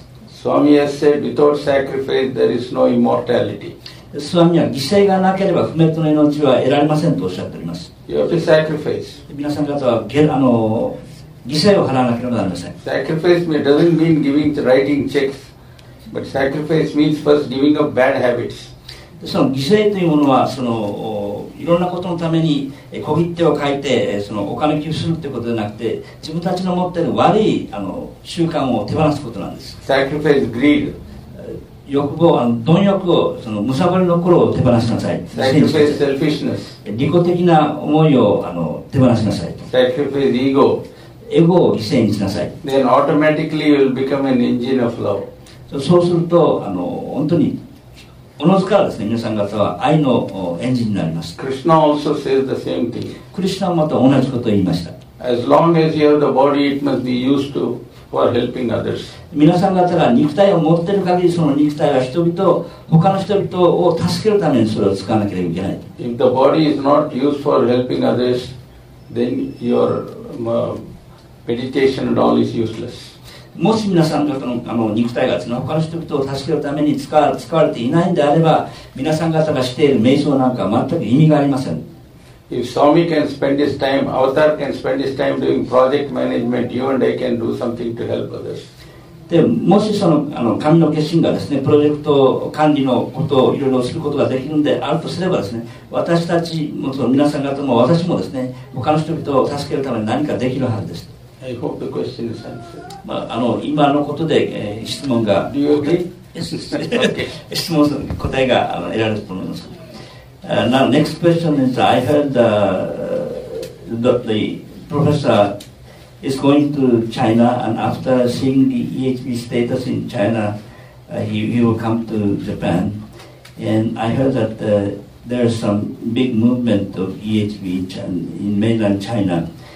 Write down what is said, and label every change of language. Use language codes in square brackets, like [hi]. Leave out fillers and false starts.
[en] Swami has said, without sacrifice, there is no immortality. [ja] スワミは犠牲がなければ不滅の命は得られませんとおっしゃっております。 [en] You have to sacrifice. [ja] 皆さん方はあの犠牲を払わなければなりません。 [en] Sacrifice means doesn't mean giving writing checks, but sacrifice means first giving up bad habits. [ja] その犠牲というものはそのいろんなことのために小切手を書いてそのお金寄付するということではなくて、自分たちの持っている悪いあの習慣を手放すことなんです。 [en] Sacrifice is greed. [ja] 欲望、あの貪欲を、そのむさぼりの心を手放しなさい。 [en] Sacrifice selfishness. [ja] 利己的な思いをあの手放しなさいと。 [en] Sacrifice ego. [ja] エゴを犠牲にしなさい。 [en] Then automatically you will become an engine of love. [ja] そうすると、あの本当におのずからですね、皆さん方は愛のエンジンになります。 [en] Krishna also says the same thing. [ja] クリシュナもまた同じことを言いました。 [en] As long as you have the body, it must be used to for helping others. [ja] 皆さん方が肉体を持っている限り、その肉体は人々、他の人々を助けるためにそれを使わなければいけない。 [en] If the body is not used for helping others, then your meditation and all is useless. [ja] もし皆さん方 の, あの肉体が他の人々を助けるために使われていないのであれば、皆さん方がしている瞑想なんかは全く意味がありません。 [en] If Swami can spend his time, Avatar can spend his time doing project management, you and I can do something to help others. [ja] でもしそ の, あの神の決心がですね、プロジェクト管理のことをいろいろすることができるのであるとすればですね、私たちもその皆さん方も私もですね、他の人々を助けるために何かできるはずです。 [en] I hope the question is answered. [ja] まあ、あの今のことで、質問が [en] Do you agree? Yes, yes. [ja] 質問の答えが得られると思います。 [en] Now, next question is, I heard that the professor is going to China and after seeing the EHB status in China, he will come to Japan. And I heard that there is some big movement of EHB in mainland China.